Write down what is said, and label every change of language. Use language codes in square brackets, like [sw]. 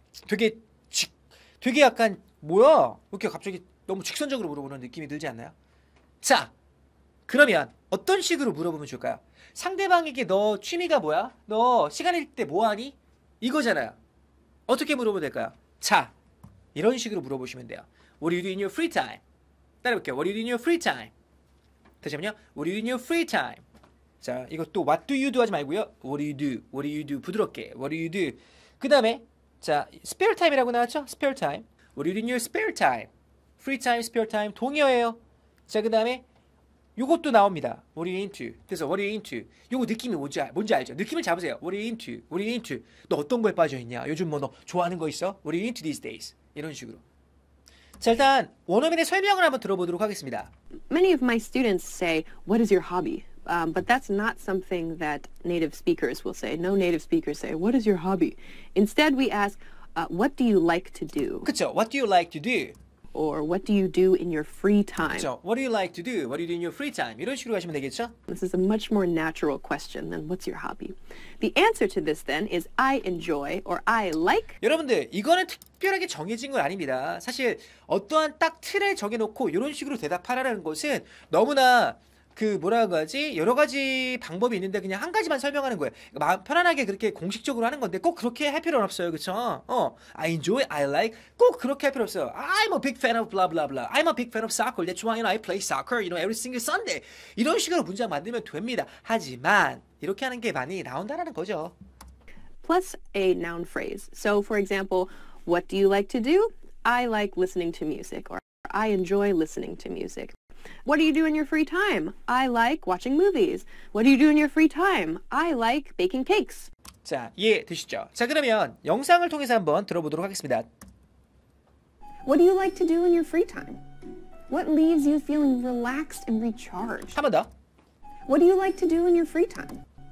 [ko] 되게 되게 약간 뭐야? 이렇게 갑자기 너무 직선적으로 물어보는 느낌이 들지 않나요? 자, 그러면 어떤 식으로 물어보면 좋을까요? 상대방에게 너 취미가 뭐야? 너 시간일 때 뭐하니? 이거잖아요. 어떻게 물어보면 될까요? 자, 이런 식으로 물어보시면 돼요. [en] What do you do in your free time? [ko] 따라해볼게요. [en] What do you do in your free time? [ko] 다시만요. [en] What do you do in your free time? [ko] 자, 이것도 [en] What do you do [ko] 하지 말고요. [en] What do you do? What do you do? [ko] 부드럽게. [en] What do you do? [ko] 그 다음에 자, spare time이라고 나왔죠? Spare time. [en] What do you do in your spare time? Free time, spare time. [ko] 동의어예요. 자, 그 다음에 요것도 나옵니다. [en] What are you into? [ko] 그래서 [en] What are you into? [ko] 요거 느낌이 뭔지 알죠? 느낌을 잡으세요. [en] What are you into? What are you into? [ko] 너 어떤 거에 빠져있냐? 요즘 뭐 너 좋아하는 거 있어? [en] What are you into these days? [ko] 이런 식으로. 자, 일단 원어민의 설명을 한번 들어보도록 하겠습니다. [en] Many of my students say, What is your hobby? But that's not something that native speakers will say. No native speakers say, What is your hobby? Instead, we ask, What do you like to do? [ko] 그쵸, [en] What do you like to do? Or what do you do in your free time? [ko] 그렇죠. [en] What do you like to do? What do you do in your free time? [ko] 이런 식으로 하시면 되겠죠? [en] This is a much more natural question than what's your hobby. The answer to this then is I enjoy or I like. [ko] 여러분들, 이거는 특별하게 정해진 건 아닙니다. 사실 어떠한 딱 틀을 정해놓고 이런 식으로 대답하라는 것은 너무나 그 뭐라고 하지? 여러 가지 방법이 있는데 그냥 한 가지만 설명하는 거예요. 마음 편안하게 그렇게 공식적으로 하는 건데 꼭 그렇게 할 필요는 없어요. 그렇죠? [en] I enjoy, I like. [ko] 꼭 그렇게 할 필요 없어요. [en] I'm a big fan of blah blah blah. I'm a big fan of soccer. That's why I play soccer, you know, every single Sunday. [ko] 이런 식으로 문장 만들면 됩니다. 하지만 이렇게 하는 게 많이 나온다라는 거죠. [en] Plus a noun phrase. So for example, what do you like to do? I like listening to music or I enjoy listening to music. What do you do in your free time? I like watching movies. What do you do in your free time? I like baking cakes. [ko] 자, 이해되시죠? 자, 그러면 영상을 통해서 한번 들어보도록 하겠습니다. [en] What do you like to do in your free time? What leaves you feeling relaxed and recharged? [ko] 한 번 더. [en] What do you like to do in your free time?